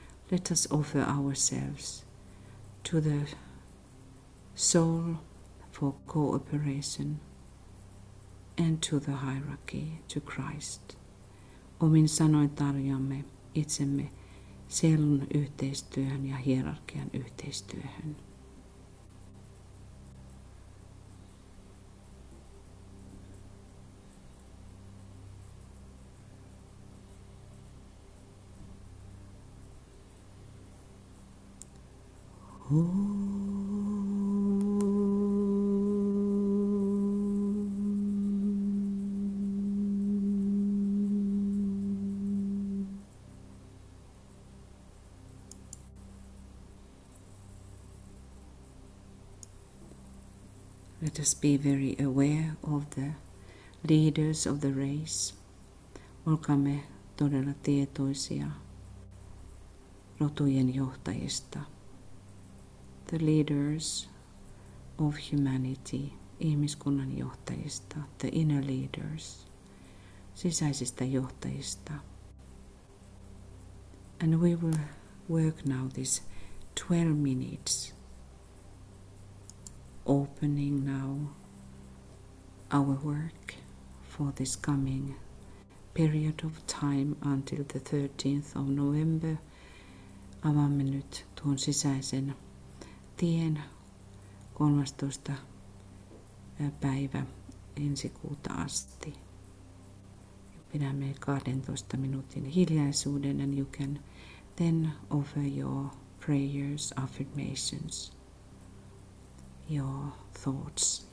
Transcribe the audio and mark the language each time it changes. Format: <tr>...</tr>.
<en>Let us offer ourselves to the soul for cooperation and to the hierarchy, to Christ.</en> <fi>Omin sanoin tarjoamme itsemme sielun yhteistyöhön ja hierarkian yhteistyöhön.</fi> <en>Let us be very aware of the leaders of the race.</en> <fi>Olkaamme todella tietoisia rotujen johtajista.</fi> <en>The leaders of humanity,</en> <fi>ihmiskunnan johtajista,</fi> <en>the inner leaders,</en> <fi>sisäisistä johtajista.</fi> <en>And we will work now this 12 minutes, opening now our work for this coming period of time until the 13th of November.</en> <fi>Avaamme nyt tuon sisäisen tien 13. päivä ensi kuuta asti. Pidämme 12 minuutin hiljaisuuden,</fi> <en>and you can then offer your prayers, affirmations, your thoughts.</en>